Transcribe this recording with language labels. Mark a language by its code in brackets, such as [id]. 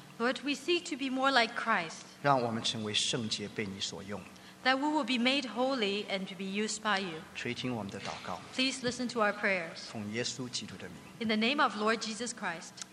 [en] Lord, we seek to be more like Christ. [zh] 让我们成为圣洁，被你所用。 [en] That we will be made holy and to be used by you. [zh] 垂听我们的祷告。 [en] Please listen to our prayers. [zh] 奉耶稣基督的名。 [en] In the name of Lord Jesus Christ.